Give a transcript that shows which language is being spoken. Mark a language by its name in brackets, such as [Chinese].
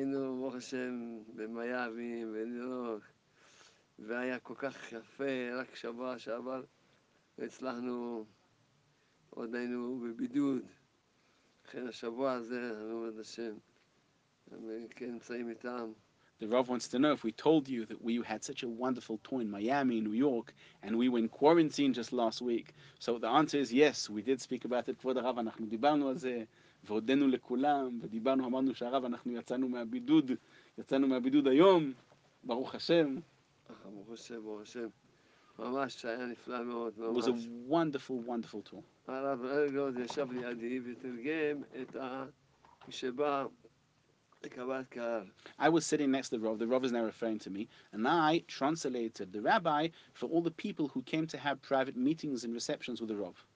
[English] The Rav wants to know if we told you that we had such a wonderful tour in Miami, New York, and we were in quarantine just last week. So the answer is yes, we did speak about it. [Hebrew] Kvod Rav, אנחנו דיברנו על זה, והודינו לכולם, ודיברנו, אמרנו שהרב, אנחנו יצאנו מהבידוד היום, ברוך השם. ברוך השם, ברוך השם. ממש שהיה נפלא מאוד, ממש. [English] It was a wonderful, wonderful tour. [Hebrew] הרב אלגוד ישב לידי ותרגם את המשבא. [English] I was sitting next to the Rav is now referring to me, and I translated the rabbi for all the people who came to have private meetings and receptions with the Rav.